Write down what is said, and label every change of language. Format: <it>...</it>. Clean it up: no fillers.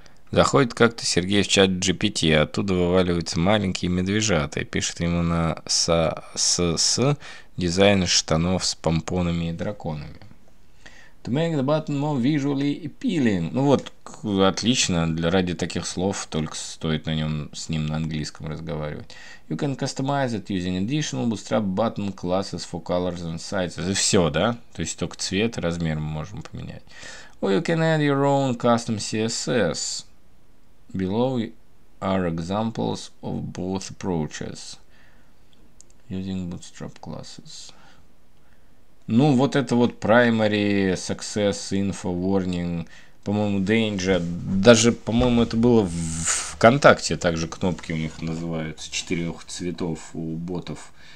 <ru>Заходит как-то Сергей в чат GPT, оттуда вываливаются маленькие медвежата, и пишет ему на с дизайн штанов с помпонами и драконами.</ru> <en>To make the button more visually appealing.</en> <ru>Ну вот, отлично, ради таких слов только стоит с ним на английском разговаривать.</ru> <en>You can customize it using additional bootstrap button classes for colors and sizes.</en> <ru>И все, да? То есть только цвет и размер мы можем поменять.</ru> <en>Or you can add your own custom CSS. Below are examples of both approaches using bootstrap classes.</en> <ru>Ну, вот это вот primary, success, info, warning, по-моему, danger. Даже, по-моему, это было в ВКонтакте, также кнопки у них называются, четырех цветов у ботов.</ru>